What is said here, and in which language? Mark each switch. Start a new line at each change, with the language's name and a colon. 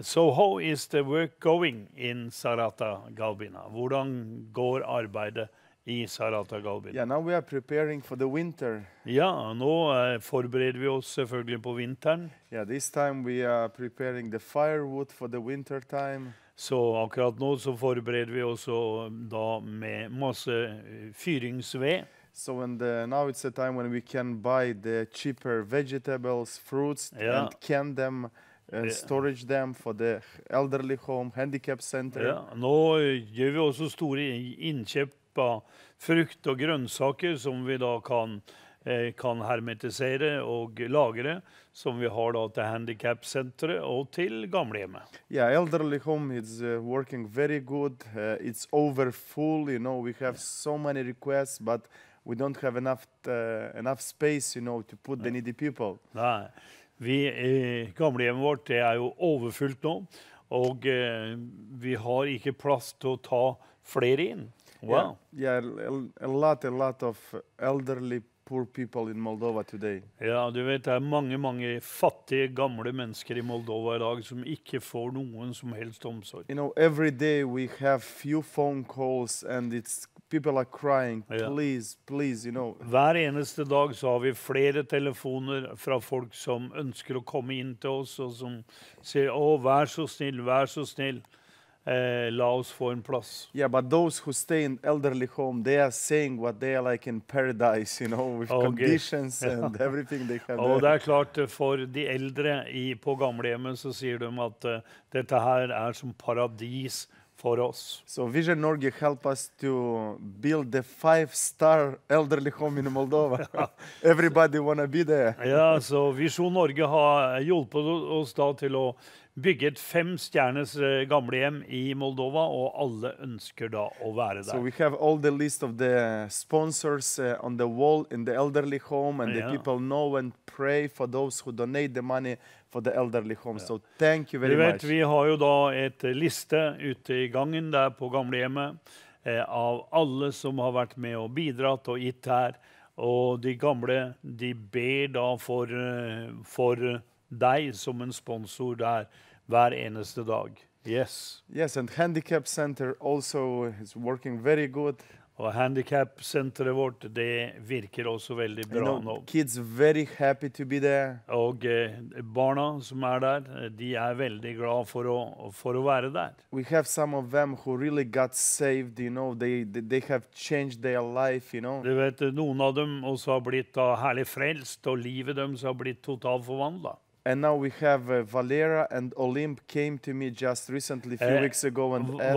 English: So how is the work going in Sarata-Galbina?
Norwegian: Hvordan går arbeidet?
English: Now we are preparing for the winter.
Norwegian: Forbereder vi oss selvfølgelig på vinteren.
English: Yeah, this time we are preparing the firewood for the winter time.
Norwegian: Så akkurat nå så forbereder vi oss da med masse fyringsved.
English: So now it's the time when we can buy the cheaper vegetables, fruits, and can them. And storage them for the elderly home, handicap center.
Norwegian: Ja, nå gjør vi også store innkjøp av frukt og grønnsaker som vi da kan hermetisere og lagre, som vi har da til handicap senteret og til gamlehjemmet.
English: Yeah, elderly home is working very good. It's over full, you know, we have so many requests, but we don't have enough space, you know, to put the needy people.
Norwegian: Nei. Vi i gamlehjemmet vårt, det jo overfylt nå, og vi har ikke plass til å ta flere inn.
English: Wow. A lot of elderly poor people in Moldova today.
Norwegian: Ja, du vet, det mange, mange fattige, gamle mennesker i Moldova i dag som ikke får noen som helst omsorg.
English: You know, every day we have few phone calls and it's people are crying, please, you know.
Norwegian: Hver eneste dag så har vi flere telefoner fra folk som ønsker å komme inn til oss, og som sier, vær så snill, la oss få en plass.
English: Yeah, but those who stay in elderly home, they are saying what they are like in paradise, you know, with conditions and everything they have.
Norwegian: Og det klart, for de eldre på gamlehjemmet så sier de at dette her som paradis.
English: So Vision Norge help us to build the 5-star elderly home in Moldova. Everybody wanna be there.
Norwegian: Yeah, so Vision Norge har hjulpet oss da til å bygge et 5-stjernes gamlehjem i Moldova, og alle ønsker da å være der.
English: So we have all the list of the sponsors on the wall in the elderly home, and the people know and pray for those who donate the money for the elderly home. Yeah. So thank you very much.
Norwegian: Vi har jo da et liste ute i gangen der på gamlehjemmet av alle som har vært med og bidratt og gitt her. Og de gamle, de ber da for deg som en sponsor der hver eneste dag. Yes.
English: Yes, and handicap center also is working very good.
Norwegian: Og handicap senteret vårt, det virker også veldig bra nå.
English: Kids very happy to be there.
Norwegian: Og barna som der, de veldig glad for å være der.
English: We have some of them who really got saved, you know, they have changed their life, you know.
Norwegian: Du vet, noen av dem også har blitt herlig frelst, og livet dem så har blitt totalt forvandlet.
English: And now we have Valera and Olymp came to me just recently, a few weeks ago, and asked...